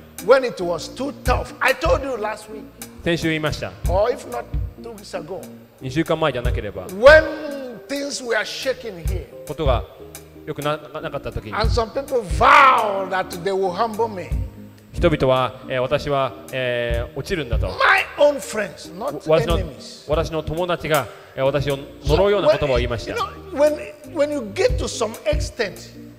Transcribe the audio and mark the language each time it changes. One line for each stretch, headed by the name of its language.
English: When it was too tough, I told you last week.
Japanese: 先週言いました。
English: Or if not 2 weeks ago.
Japanese: 2週間前じゃなければ。
English: When things were shaking here.
Japanese: ことが良くなかった時に。
English: And some people vowed that they will humble me.
Japanese: 人々は、私は、落ちるんだと。
English: My own friends, not enemies.
Japanese: 私の友達が、私を呪うような言葉を言いました。
English: So, when you get to some extent.